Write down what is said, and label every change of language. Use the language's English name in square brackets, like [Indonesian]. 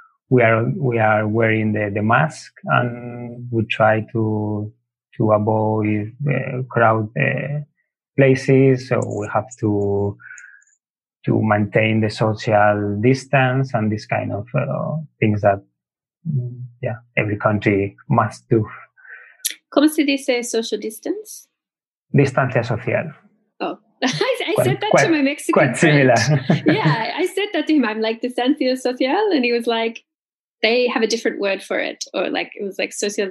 [English] We are wearing the mask and we try to avoid crowd places. So we have to maintain the social distance and this kind of things that yeah, every country must do. [Spanish] ¿Cómo se dice [English] social distance? [Spanish] Distancia social. [English] I said that to my Mexican friend. Yeah, I said that to him. I'm like, [Spanish] distancia social? [English] And he was like, they have a different word for it. Or like, it was like social...